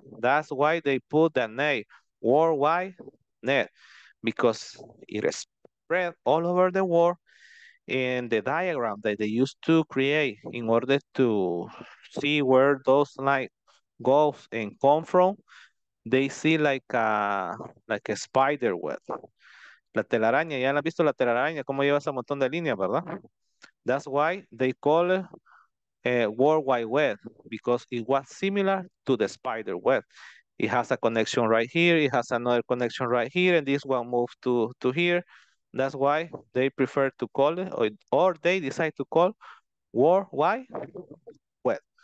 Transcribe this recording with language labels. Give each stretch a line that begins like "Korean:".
English: That's why they put the name World Wide Net, because it spread all over the world. In the diagram that they used to create in order to see where those light goes and come from, they see like a spider web.
Spanish: La telaraña, ya han visto la telaraña, como lleva ese montón de líneas, ¿verdad?
English: That's why they call it World Wide Web, because it was similar to the spider web. It has a connection right here, it has another connection right here, and this one moves to here. That's why they prefer to call it, or they decide to call World Wide Web.